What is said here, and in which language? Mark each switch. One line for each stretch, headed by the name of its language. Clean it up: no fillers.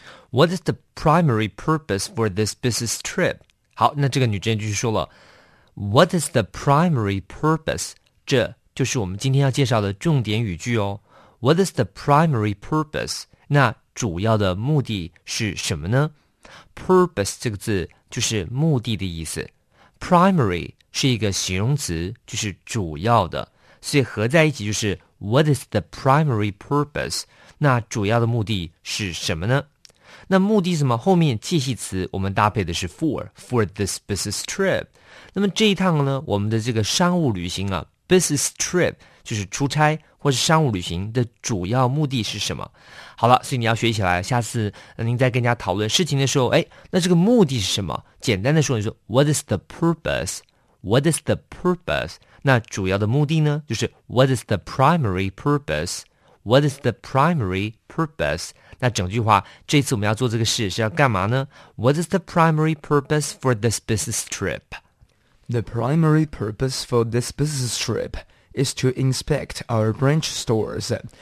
English: What is the primary purpose for this business trip?
Chinese: 好，那这个女职员就说了
English: What is the primary purpose?
Chinese: 这就是我们今天要介绍的重点语句哦。
English: What is the primary purpose?
Chinese: 那主要的目的是什么呢？ Purpose 这个字就是目的的意思。Primary 是一个形容词，就是主要的。所以合在一起就是
English: What is the primary purpose?
Chinese: 那主要的目的是什么呢？那目的是什么？后面介系词我们搭配的是
English: for this business trip。
Chinese: 那么这一趟呢，我们的这个商务旅行啊 ，business trip 就是出差或是商务旅行的主要目的是什么？好了，所以你要学起来，下次您在跟人家讨论事情的时候，哎，那这个目的是什么？简单的说，你说
English: What is the purpose? What is the purpose?
Chinese: 那主要的目的呢，就是
English: What is the primary purpose? What is the primary purpose?
Chinese: 那整句话，这次我们要做这个事是要干嘛呢？
English: What is the primary purpose for this business trip? The primary purpose for this business trip is to inspect our branch stores.